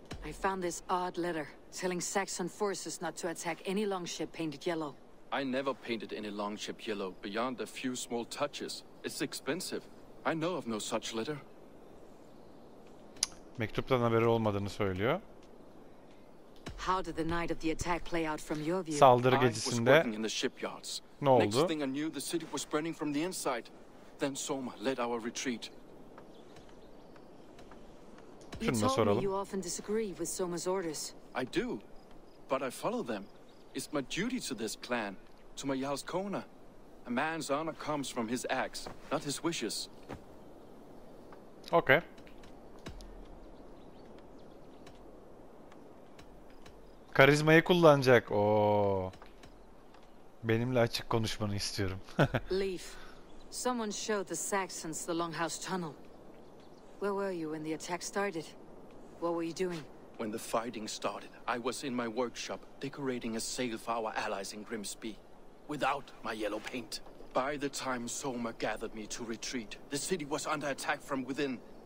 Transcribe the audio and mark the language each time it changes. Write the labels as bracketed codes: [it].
[en] I found this odd letter telling Saxon forces not to attack any longship painted yellow. I never painted any longship yellow beyond a few small touches. It's expensive. I know of no such letter. [tr] Mektuptan haberi olmadığını söylüyor. [en] How did the night of the attack play out from your view? [tr] Saldırı gecesinde. Ne oldu? [en] Next thing I knew, the city was burning from the inside. Then Soma led our retreat. [tr] Şunu soralım. [en] You often disagree with Soma's orders. I do, but I follow them. It's my duty to this clan, to my Yal's Kona. A man's honor comes from his acts, not his wishes. Okay. [tr] Karizmayı kullanacak. Oo. Benimle açık konuşmanı istiyorum. Leaf. [en] Someone showed the Saxons the Longhouse Tunnel. Where were you when the attack started? What were you doing? When the fighting started, I was in my workshop decorating a sail for our allies in Grimsby without my yellow paint. By the time Soma gathered me to retreat, the city was under attack from within.